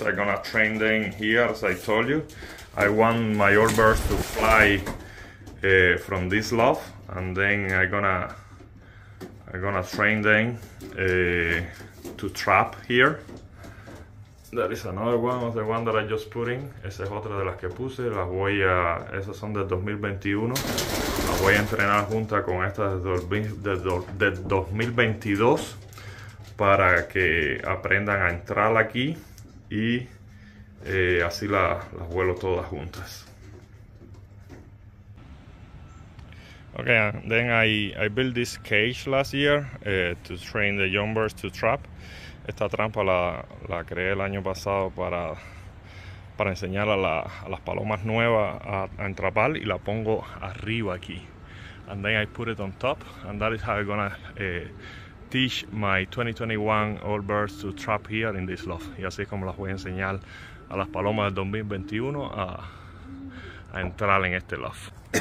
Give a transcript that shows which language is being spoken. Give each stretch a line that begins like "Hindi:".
English: I'm gonna train them here, as I told you. I want my old birds to fly from this loft, and then I'm gonna train them to trap here. That is another one of the one that I just put in.
Spanish: Esa es otra de las que puse. Las voy a... Esas son del 2021. Las voy a entrenar junta con estas del 2022 para que aprendan a entrar aquí y así las vuelo todas juntas.
English: Okay, then I built this cage last year to train the young birds to trap.
Spanish: Esta trampa la creé el año pasado para enseñar a las palomas nuevas a entrapar, y la pongo arriba aquí.
English: And then I put it on top, and that is how I'm gonna teach my 2021 old birds to trap here in this loft.
Spanish: Y así es como las voy a enseñar a las palomas del 2021 a entrar en este loft.